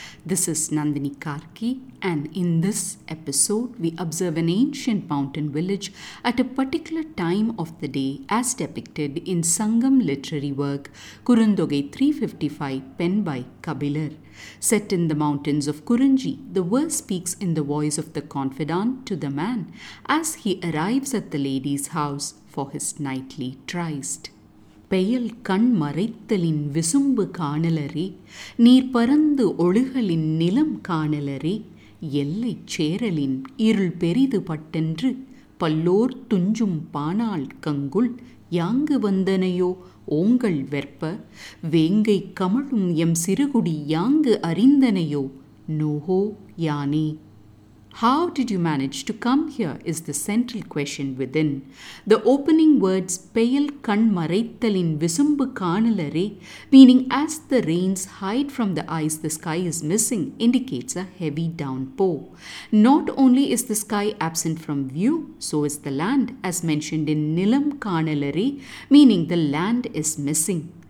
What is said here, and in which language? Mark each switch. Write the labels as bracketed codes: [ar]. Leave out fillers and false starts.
[en] This is Nandini Karki, and in this episode we observe an ancient mountain village at a particular time of the day as depicted in Sangam literary work Kurundogai 355 penned by Kabilar. Set in the mountains of Kurunji, the verse speaks in the voice of the confidant to the man as he arrives at the lady's house for his nightly tryst. [ta] Peyal கண் மறைத்தலின் விசும்பு காணலரே, நீர் பறந்து ஒழுகலின் நிலம் காணலரே, எல்லை சேரலின் இருள் பெரிது பட்டென்று பல்லோர் துஞ்சும் பானால் கங்குள் யாங்கு வந்தனையோ ஓங்கள் வெற்ப, வேங்கை கமழும் எம் சிறுகுடி யாங்கு அறிந்தனையோ நோகோ யானே. [en] How did you manage to come here is the central question within. The opening words, [ta] Payal kan maraitthalin visumbu kaanalare, [en] meaning as the rains hide from the eyes, the sky is missing, indicates a heavy downpour. Not only is the sky absent from view, so is the land, as mentioned in [ta] Nilam kaanalare, [en] meaning the land is missing.